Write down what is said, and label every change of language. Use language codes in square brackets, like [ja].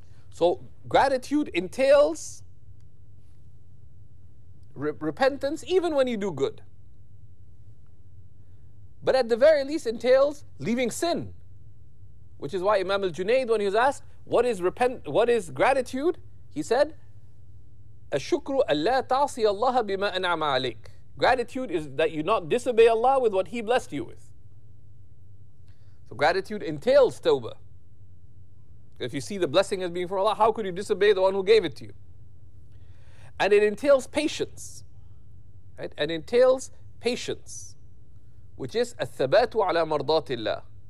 [en] So gratitude entails repentance even when you do good. But at the very least entails leaving sin. Which is why Imam al-Junaid, when he was asked, what is gratitude? He said, [ar] أَشُكْرُ أَلَّا تَعْصِيَ اللَّهَ بِمَا أَنْعَمَ عَلَيْكَ. [en] Gratitude is that you not disobey Allah with what He blessed you with. So gratitude entails tawbah. If you see the blessing as being from Allah, how could you disobey the one who gave it to you? And it entails patience. Right? And entails patience, which is [ar] الثَّبَاتُ عَلَى مَرْضَاتِ اللَّهِ.